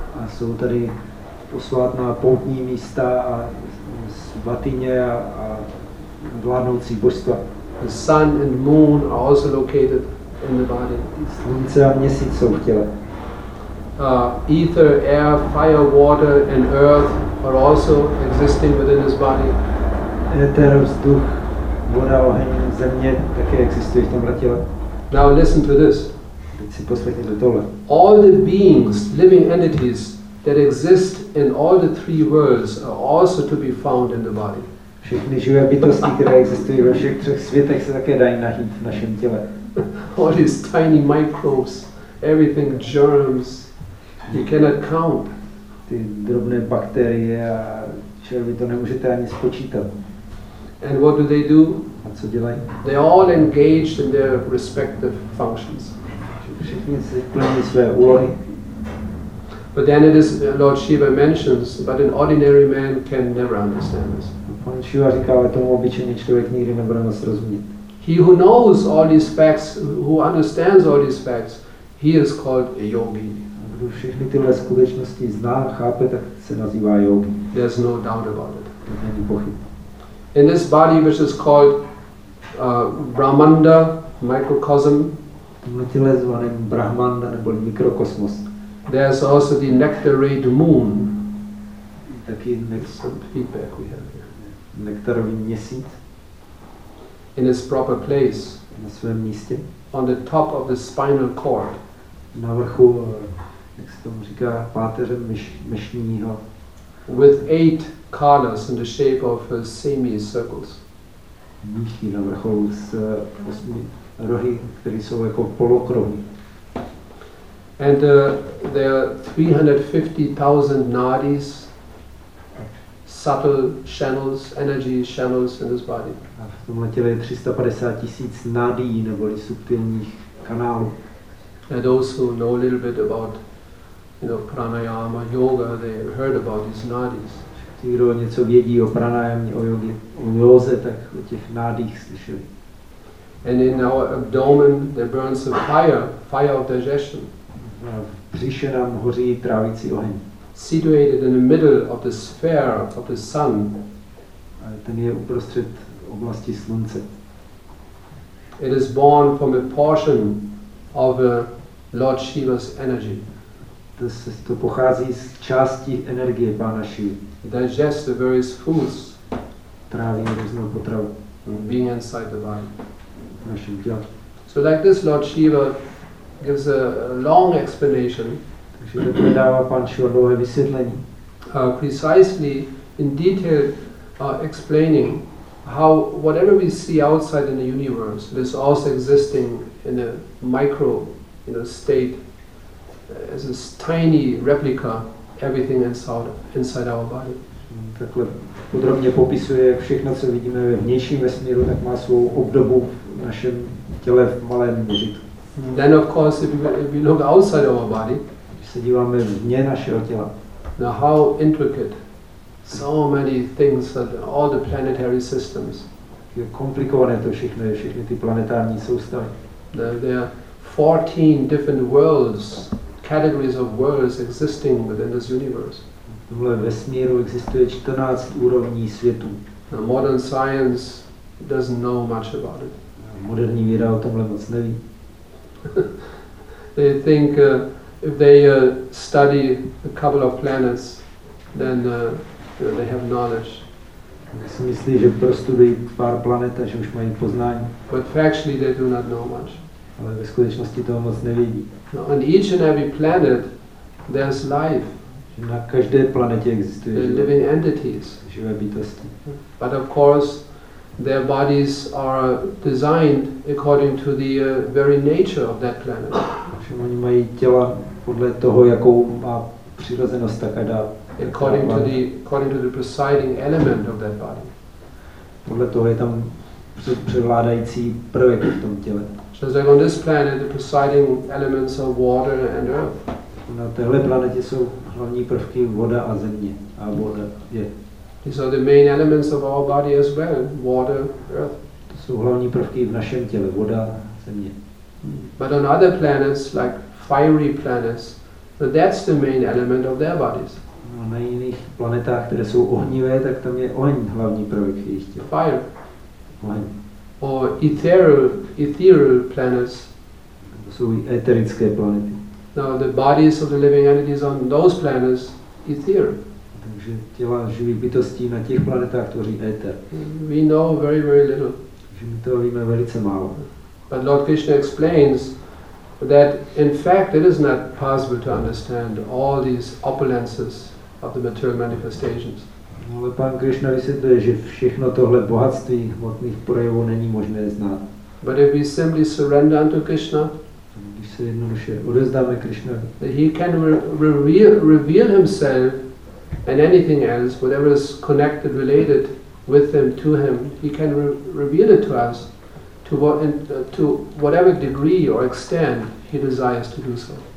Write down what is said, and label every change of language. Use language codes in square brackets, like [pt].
[cs] A jsou tady posvátná poutní místa a svatyně a vládnoucí božstva. [en] The sun and moon are also located in the body. [cs] Slunce a měsíc jsou v těle. [en] Ether, air, fire, water and earth are also existing within this body. [cs] Éter, vzduch, voda, oheň, země také existují v tomhle těle. [en] Now listen to this. [cs] Teď si poslechněte tohle. [en] All the beings, living entities that exist in all the three worlds are also to be found in the body. [cs] Všechny živé bytosti, které existují ve všech třech světech, se také dají najít v našem těle. [en] All these tiny microbes, everything, germs, you cannot count. [cs] Ty drobné bakterie a červy, to nemůžete ani spočítat. [en] And what do they do? [cs] A co dělají? [en] They are all engaged in their respective functions. [cs] Všichni se plní své úlohy. [en] But then it is Lord Shiva mentions, but an ordinary man can never understand this. [cs] Pan Shiva říká, ale tomu obyčejný člověk nikdy nebude moct rozumět. [en] He who knows all these facts, who understands all these facts, he is called a yogi. [cs] Kdo všechny tyhle skutečnosti zná, chápe, tak se nazývá yogi. [en] There's no doubt about it. [cs] To není pochyb. [en] In this body, which is called Brahmanda, microcosm. [cs] Tomhle těle zvaném Brahmanda nebo mikrokosmos. [en] There's also the nectar-rayed moon. [cs] Taky [en] feedback we have here. [cs] Nektarový měsíc. [en] In its proper place. [cs] Na svém místě. [en] On the top of the spinal cord. [cs] Na vrchu, jak se tomu říká, páteře myšního. [en] With eight kalas in the shape of semi-circles. [cs] Míchy na vrcholu s osmi rohy, které jsou jako polokrouhy. [en] And there are 350,000 nadis, subtle channels, energy channels in this body. [cs] A v tomhle těle je 350,000 nadí, neboli subtilních kanálů. [en] And those who know a little bit about, you know, pranayama, yoga, they have heard about these nadis. [cs] Ti, kdo něco vědí o pranayamě, o yogi, o józe, tak o těch nádích slyšeli. [en] And in our abdomen there burns a fire, fire of digestion. [cs] V břiše nám hoří trávící oheň. [en] Situated in the middle of the sphere of the sun. [cs] Ten je uprostřed oblasti slunce. [en] It is born from a portion of Lord Shiva's energy. [cs] To pochází z části energie pána Shivy. [en] It digests the various foods. [cs] Tráví různou potravu. [en] Being inside the body. [cs] V našem těle. [en] So like this Lord Shiva gives a long explanation. [cs] Takže to dává pan Shiva dlouhé vysvětlení. [en] Precisely in detail explaining how whatever we see outside in the universe is also existing in a micro, you know, state as a tiny replica everything inside our body. [cs] takhle podrobně popisuje, jak všechno, co vidíme ve vnějším vesmíru, tak má svou obdobu v našem těle v malém měřitku. [en] Then of course if we look outside our body, [cs] když se díváme vně našeho těla, [en] now how intricate so many things that all the planetary systems, [cs] je komplikované to všechno, všechny ty planetární soustavy. [en] There are 14 different worlds, categories of worlds existing within this universe. [cs] V tomhle vesmíru existuje 14 úrovní světů. [en] Now modern science doesn't know much about it. [cs] Moderní věda o tomhle moc neví. [en] They think if they study a couple of planets, then they have knowledge. [cs] Si myslí, že prostudují pár planet a že už mají poznání. [en] But factually they do not know much. [cs] Ale ve skutečnosti toho moc nevidí. [en] No, on each and every planet there's life. [cs] Že na každé planetě existuje živé, [en] living entities. [cs] Živé bytosti. [en] But of course their bodies are designed according to the very nature of that planet. [cs] Všem oni mají těla podle toho, jakou má přirozenost tak a dál. [en] According to the presiding element of that body. [cs] Podle toho je tam převládající prvek v tom těle. [en] Just like on this planet, the presiding elements are water and earth. [cs] Na téhle planetě jsou hlavní prvky voda a země. A voda je. [en] These are the main elements of our body as well, water, earth. [cs] To jsou hlavní prvky v našem těle, voda, země. [en] But on other planets, like fiery planets, that's the main element of their bodies. [cs] No, na jiných planetách, které jsou ohnivé, tak tam je oheň hlavní prvek jejich těla. [en] Fire. [cs] Oheň. [en] Or ethereal planets. [cs] To jsou eterické planety. [en] Now the bodies of the living entities on those planets, ethereal. [cs] Takže těla živých bytostí na těch planetách tvoří éter. [en] We know very, very little. [cs] Že my toho víme velice málo. [en] But Lord Krishna explains that in fact it is not possible to understand all these opulences of the material manifestations. [cs] Ale pan Krishna vysvětluje, že všechno tohle bohatství hmotných projevů není možné znát. [en] But if we simply surrender unto Krishna, [cs] když se jednoduše odevzdáme Krishna, [en] he can reveal himself and anything else, whatever is connected, related with him, to him, he can reveal it to us to whatever degree or extent he desires to do so.